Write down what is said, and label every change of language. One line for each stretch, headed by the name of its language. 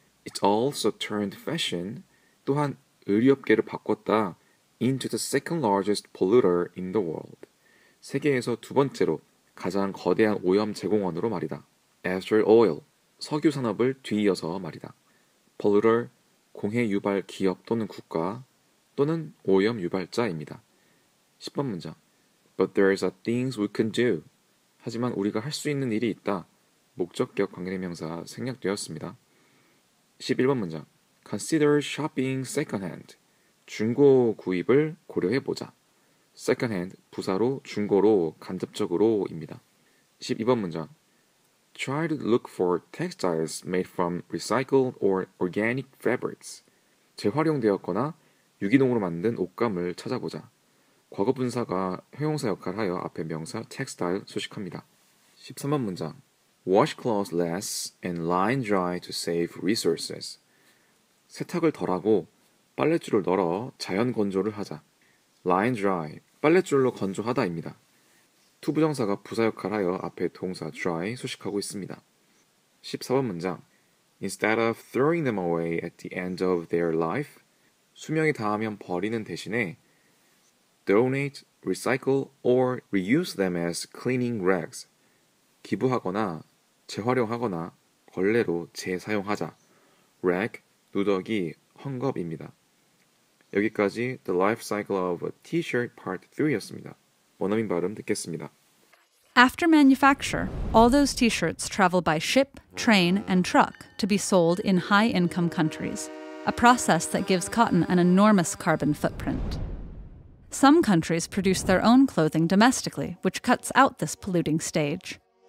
English: It also turned fashion,
Korean: 또한 의류업계를 바꿨다,
English: into the second largest polluter in the world.
Korean: 세계에서 두 번째로 가장 거대한 오염 제공원으로 말이다.
English: After oil,
Korean: 석유 산업을 뒤이어서 말이다. Polluter, 공해 유발 기업 또는 국가 또는 오염 유발자입니다. 10번 문장.
English: But there's a things we can do.
Korean: 하지만 우리가 할 수 있는 일이 있다. 목적격 관계대명사 생략되었습니다. 11번 문장.
English: Consider shopping secondhand.
Korean: 중고 구입을 고려해보자. Secondhand, 부사로 중고로 간접적으로입니다. 12번 문장.
English: Try to look for textiles made from recycled or organic fabrics.
Korean: 재활용되었거나 유기농으로 만든 옷감을 찾아보자. 과거 분사가 형용사 역할을 하여 앞에 명사 textile 수식합니다. 13번 문장.
English: Wash clothes less and line dry to save resources.
Korean: 세탁을 덜하고 빨랫줄을 널어 자연 건조를 하자. Line dry, 빨랫줄로 건조하다입니다. 투부정사가 부사 역할을 하여 앞에 동사 dry 수식하고 있습니다. 14번 문장.
English: Instead of throwing them away at the end of their life,
Korean: 수명이 다하면 버리는 대신에
English: donate, recycle, or reuse them as cleaning rags.
Korean: 기부하거나 재활용하거나 걸레로 재사용하자. rag, 누더기, 헝겊입니다. 여기까지 The Life Cycle of a T-Shirt Part 3였습니다. 원어민 발음 듣겠습니다.
English: After manufacture, all those T-shirts travel by ship, train, and truck to be sold in high-income countries, a process that gives cotton an enormous carbon footprint. Some countries produce their own clothing domestically, which cuts out this polluting stage.